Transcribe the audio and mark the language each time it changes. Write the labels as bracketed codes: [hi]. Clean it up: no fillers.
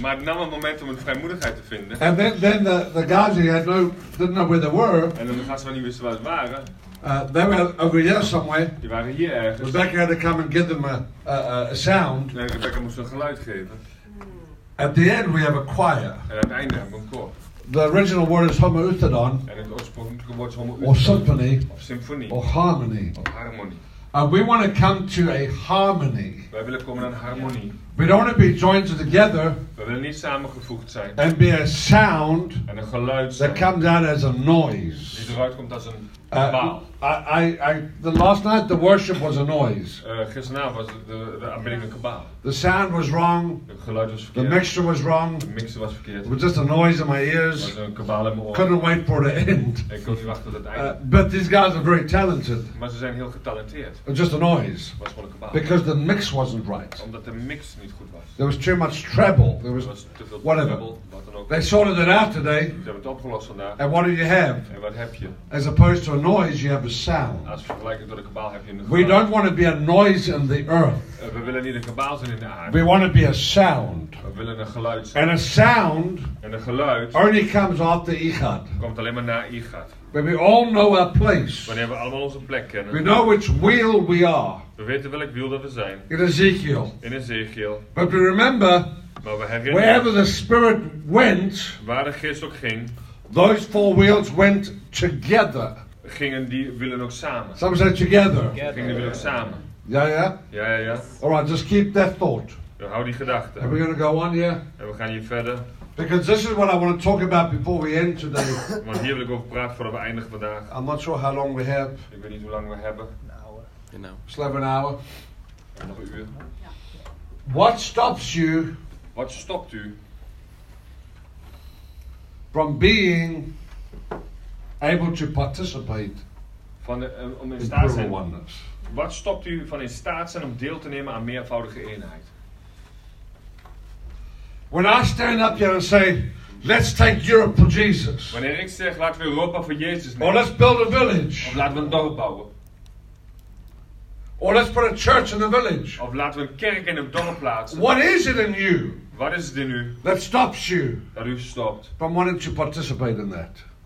[nl] Maar het nam een moment om hun vrijmoedigheid te vinden. [en] And then the guys who had no didn't know where they were. [nl] En dan de gasten niet wisten waar ze waren. [en] They were over here somewhere. [nl] Die waren hier ergens. [en] Rebecca had to come and give them a sound. [nl] Nee, Rebecca moest een geluid geven. [en] At the end we have a choir. [nl] En uiteindelijk hebben we een koor. [en] The original word is homoüthodon. [nl] En het oorspronkelijke woord is homoüthodon. [en] Or symphony. [nl] Of symfonie. [en] Or harmony. [nl] Of harmonie. [en] We want to come to a harmony. [nl] Wij willen komen aan harmonie. [en] We don't want to be joined together. [nl] Wij willen niet samengevoegd zijn. [en] And be a sound. [nl] En een geluid. [en] That comes out as a noise. [nl] Die eruit komt als een kabaal. [en] The last night the worship was a noise. [nl] Gisteravond was de aanbidding een kabaal. [en] The sound was wrong. [nl] Het geluid was verkeerd. [en] The mixture was wrong. [nl] De mixer was verkeerd. [en] It was just a noise in my ears. [nl] Was een kabaal in mijn oren. [en] Couldn't wait for the end. [nl] Ik kon niet wachten tot het einde. [en] But these guys are very talented. [nl] Maar ze zijn heel getalenteerd. [en] It was just a noise. [nl] Was gewoon een kabaal. [en] Because the mix wasn't right. [nl] Omdat de mix niet goed was. [en] There was too much treble. There was [nl] te veel [en] whatever. [nl] Treble, wat dan ook. [en] They sorted it out today. [nl] Ze hebben het opgelost vandaag. [en] And what do you have? [nl] En wat heb je? [en] As opposed to a noise, you have a sound. [nl] Als vergelijking tot een kabaal heb je een. [en] We don't want to be a noise in the earth. [nl] We willen niet een kabaal zijn in de aarde. [en] We want to be a sound. [nl] We willen een geluid zijn. [en] And a sound. [nl] En een geluid. [en] Only comes after Ichad. [nl] Komt alleen maar na Ichad. [en] When we all know our place. [nl] Wanneer we allemaal onze plek kennen. [en] We know which wheel we are. [nl] We weten welk wiel dat we zijn. [en] In Ezekiel. [nl] In Ezekiel. [en] But we remember. [nl] Maar we herinneren. [en] Wherever the spirit went. [nl] Waar de geest ook ging. [en] Those four wheels went together. [nl] Gingen die wielen ook samen. [en] Some said together. [nl] Gingen die wielen ook samen. [en] Ja. All right, just keep that thought. [nl] Hou die gedachte. [en] Are we going to go on here? [nl] En we gaan hier verder. [en] Because this is what I want to talk about before we end today. [nl] Want hier wil ik over praten voordat we eindigen vandaag. [en] I'm not sure how long we have. [nl] Ik weet niet hoe lang we hebben. Een uur. [en] Just have an hour. [nl] Nog een uur. [en] What stops you? [nl] Wat stopt u? [en] From being able to participate. [nl] Van om in staat zijn. [en] Oneness. [nl] Wat stopt u van in staat zijn om deel te nemen aan meervoudige eenheid? [en] When I stand up here and say, let's take Europe for Jesus. [nl] Wanneer ik zeg, laten we Europa voor Jezus nemen. [en] Or let's build a village. [nl] Of laten we een dorp bouwen. [en] Or let's put a church in a village. [nl] Of laten we een kerk in een dorp plaatsen. [en] What is it in you? [nl] Wat is het in u? [en] That stops you. [nl] Dat u stopt. [en] From wanting to participate in that.